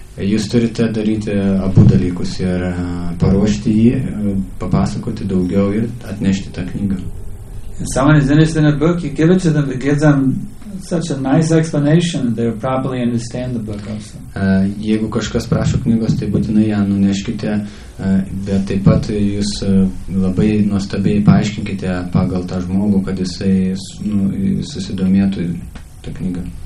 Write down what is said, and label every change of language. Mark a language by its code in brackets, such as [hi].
[lt] Jūs turite daryti abu dalykus ir paruošti jį, papasakoti daugiau ir atnešti tą knygą. [en] If someone is interested in a book, you give it to them, it gives them such a nice explanation that they properly understand the book also. [lt] Jeigu kažkas prašo knygos, tai būtinai ją nuneškite, bet taip pat jūs labai nuostabiai paaiškinkite pagal tą žmogų, kad jisai susidomėtų tą knygą.